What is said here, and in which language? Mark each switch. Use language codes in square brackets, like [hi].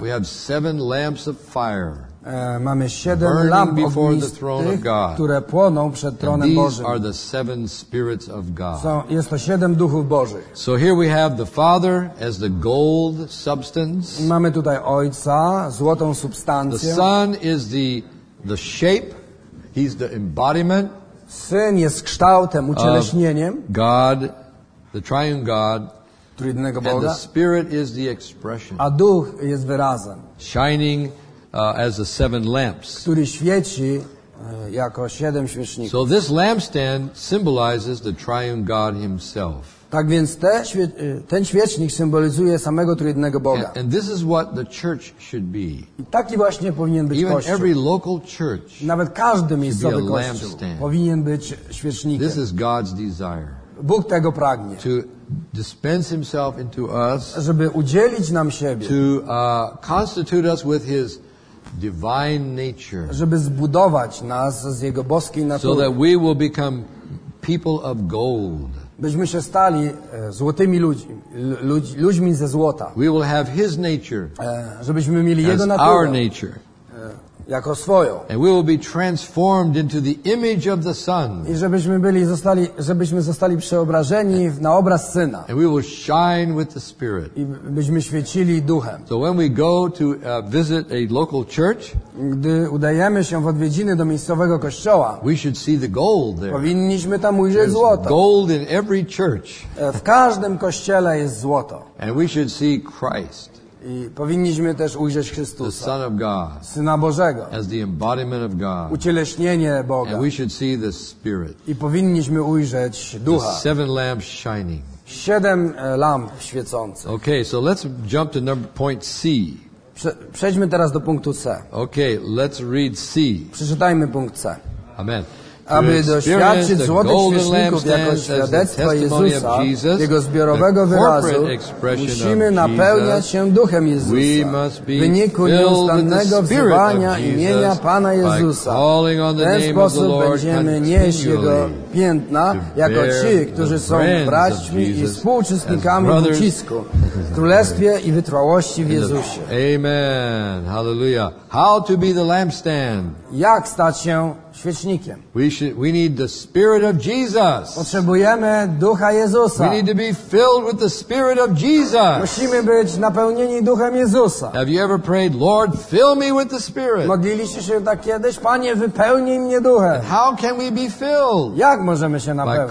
[en] We have seven lamps of fire. [pl] Mamy siedem lamp ognistych, które płoną przed tronem Bożym. [en] These are the seven spirits of God. [pl] Jest to siedem duchów Bożych. [en] So here we have the Father as the gold substance. [pl] Mamy tutaj Ojca, złotą substancję. [en] The Son is the shape. He's the embodiment. [pl] Syn jest kształtem, ucieleśnieniem. [en] God, the triune God. [pl] Trójjedynego Boga. [en] And the Spirit is the expression. [pl] A Duch jest wyrazem. [en] Shining as the seven lamps. [pl] Który świeci jako siedem świeczników. [en] So this lampstand symbolizes the triune God himself. [pl] Tak więc ten świecznik symbolizuje samego trójjedynego Boga. [en] And this is what the church should be. [pl] I taki właśnie powinien być [en] Even [pl] kościół. [en] Every local church. [pl] Nawet każdy miejscowy kościół powinien być świecznikiem. [en] This is God's desire. [pl] Bóg tego pragnie. [en] To dispense himself into us, [pl] żeby udzielić nam siebie, [en] to constitute us with his divine nature, [pl] żeby zbudować nas z jego boskiej natury, [en] so that we will become people of gold, [pl] byśmy się stali złotymi ludźmi ze złota, [en] we will have his nature, [pl] żebyśmy mieli jego naturę, [en] our nature, [pl] jako swoją. [en] And we will be transformed into the image of the Son. [pl] I żebyśmy zostali przeobrażeni na obraz Syna. [en] And we will shine with the Spirit. [pl] I byśmy świecili Duchem. [en] So when we go to visit a local church, [pl] gdy udajemy się w odwiedziny do miejscowego kościoła, [en] we should see the gold there. [pl] Powinniśmy tam ujrzeć złoto. [en] There's gold in every church. [pl] W każdym kościele jest złoto. [en] And we should see Christ. [pl] I powinniśmy też ujrzeć Chrystusa, [en] the Son of God, [pl] Syna Bożego, [en] as the embodiment of God, [pl] ucieleśnienie Boga. [en] And we should see the Spirit, [pl] i powinniśmy ujrzeć Ducha, [en] the seven lamps shining, [pl] siedem lamp świecących. [en] Okay, so let's jump to number point C. [pl] Przejdźmy teraz do punktu C. [en] Okay, let's read C. [pl] Przeczytajmy punkt C. [en] Amen. [pl] Aby doświadczyć złotych świeczników jako świadectwa Jezusa, Jesus, jego zbiorowego wyrazu, musimy napełniać się Duchem Jezusa w wyniku nieustannego wzywania imienia Pana Jezusa. W ten sposób będziemy nieść Jego piętna jako ci, którzy są braćmi i współuczestnikami w ucisku, w królestwie i wytrwałości w Jezusie. [en] Amen. Hallelujah. How to be the lampstand? [pl] Jak stać się świecznikiem. [en] We need the Spirit of Jesus. [pl] Potrzebujemy Ducha Jezusa. [en] We need to be filled with the Spirit of Jesus. [pl] Musimy być napełnieni Duchem Jezusa. [en] Have you ever prayed, Lord, fill me with the Spirit? [pl] Modliliście się tak kiedyś? Panie, wypełnij mnie Duchem. [en] And how can we be filled? [pl] Jak możemy się napełnić?